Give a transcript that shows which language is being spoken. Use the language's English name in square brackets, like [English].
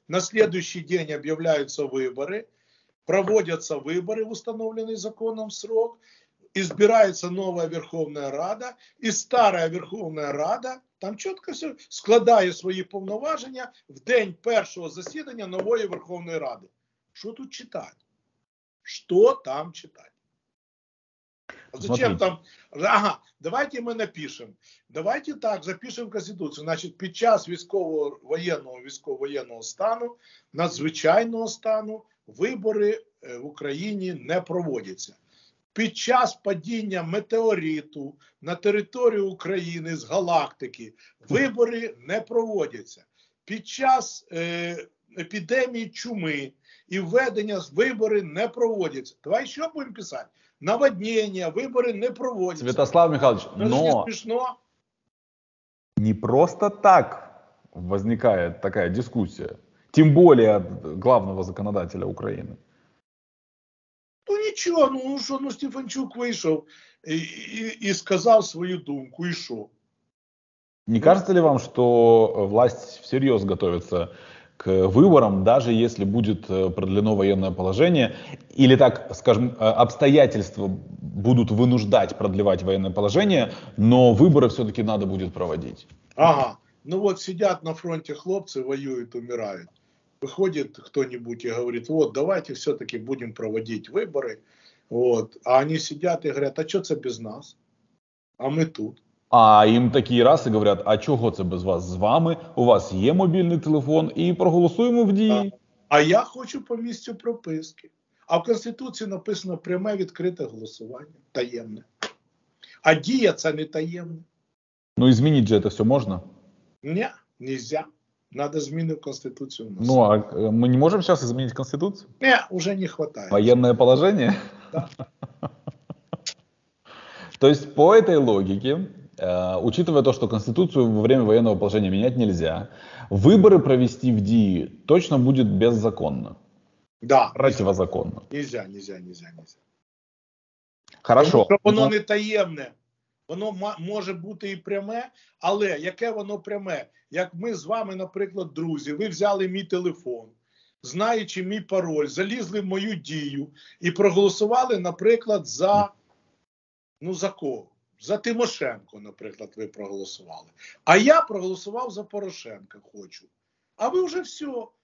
[Russian] На следующий день объявляются выборы, проводятся выборы в установленный законом срок, избирается новая Верховная Рада, и старая Верховная Рада, там четко все, складая свои повноваження в день первого заседания новой Верховной Рады. Что тут читать? Что там читать? Зачем там? Ага, давайте мы напишем. Давайте так, запишем Конституцию. [Ukrainian] Значит, під час військово-воєнного стану, надзвичайного стану, вибори в Україні не проводяться. Під час падіння метеориту на територію України з галактики вибори не проводяться. Під час епідемії чуми і введення вибори не проводяться. Давай ще будемо писати. Наводнення, вибори не проводяться. Святослав Михайлович, це но... Це не смішно. Не просто так возникає така дискусія. Тим більше головного законодателя України. Ну нічого, Стефанчук вийшов і сказав свою думку, і що? [Russian] Не кажется ли вам, [Ukrainian] що власть всерйоз готується [Russian] к выборам, даже если будет продлено военное положение, или так, скажем, обстоятельства будут вынуждать продлевать военное положение, но выборы все-таки надо будет проводить. Ага, ну вот сидят на фронте хлопцы, воюют, умирают. Выходит кто-нибудь и говорит, вот давайте все-таки будем проводить выборы. Вот. А они сидят и говорят, а что это без нас? А мы тут. [Ukrainian] А їм такі раз і говорять, а чого це без вас? З вами, у вас є мобільний телефон, і проголосуємо в дії. А я хочу по місцю прописки. А в Конституції написано пряме відкрите голосування, таємне. А дія – це не таємне. Ну і змінити же це все можна? Ні, не можна. Треба зміни в Конституцію. Ну а ми не можемо зараз змінити Конституцію? Ні, вже не вистачає. Воєнне положення? Так. Тобто по цій логіці... [Russian] учитывая то, что Конституцию во время военного положения менять нельзя, выборы провести в ДИИ точно будет беззаконно. Да. Противозаконно. Нельзя. Хорошо. Потому что оно не таємне. [Ukrainian] Воно може бути і пряме, але яке воно пряме? Як ми з вами, наприклад, друзі, ви взяли мій телефон, знаючи мій пароль, залізли в мою дію і проголосували, наприклад, за, ну, за кого? За Тимошенко, наприклад, ви проголосували. А я проголосував за Порошенка, хочу. А ви вже все.